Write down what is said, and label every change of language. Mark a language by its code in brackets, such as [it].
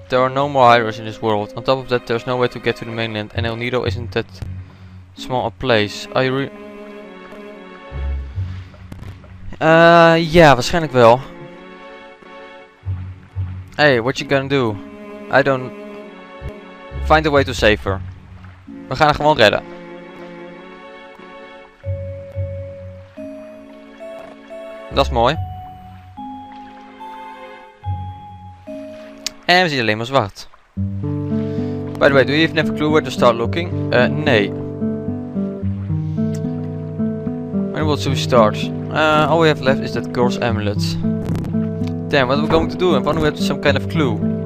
[en] There are no more hydras in this world. On top of that, there's no way to get to the mainland. And El Nido isn't that small a place. [nl] Yeah, waarschijnlijk wel. [en] Hey, what you gonna do? I don't... Find a way to save her. We gaan haar gewoon redden. [nl] Dat is mooi. En we zien alleen maar zwart. [en] By the way, do you even have a clue where to start looking? Nee. When will we start? All we have left is that girl's amulet. Damn, what are we going to do? And when we have some kind of clue?